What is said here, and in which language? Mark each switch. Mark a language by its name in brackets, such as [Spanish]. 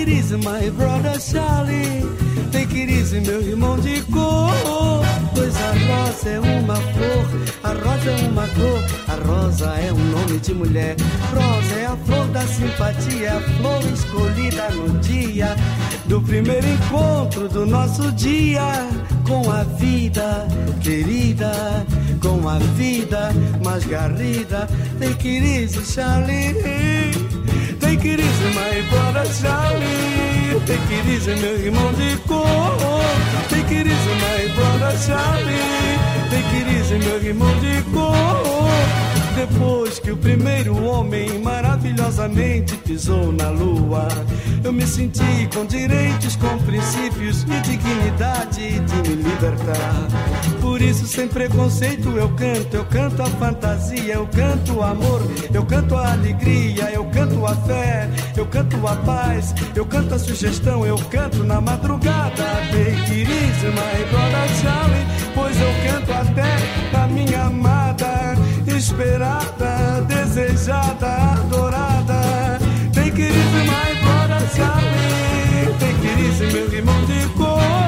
[English] easy, my brother Charlie. Take it easy, [Portuguese] meu irmão de cor. Pois a rosa é uma flor, a rosa é uma cor. A rosa é um nome de mulher. Rosa é a flor da simpatia, a flor escolhida no dia do primeiro encontro do nosso dia. Com a vida, querida, com a vida mais garrida. [English] Take it easy, Charlie. Take it easy, my brother Charlie. Take it easy, [Portuguese] meu irmão de cor. [English] Take it easy, my brother Charlie. Take it easy, [Portuguese] meu irmão de cor. Depois que o primeiro homem maravilhosamente pisou na lua, eu me senti com direitos, com princípios e dignidade de me libertar. Por isso, sem preconceito, eu canto a fantasia, eu canto o amor, eu canto a alegria, eu canto a fé, eu canto a paz, eu canto a sugestão, eu canto na madrugada. [English] Take it easy, my brother Charlie, [Portuguese] pois eu canto até a minha amada, esperada, desejada, adorada. [English] Take it easy, my brother Charlie. Take it easy, [Portuguese] meu irmão de cor.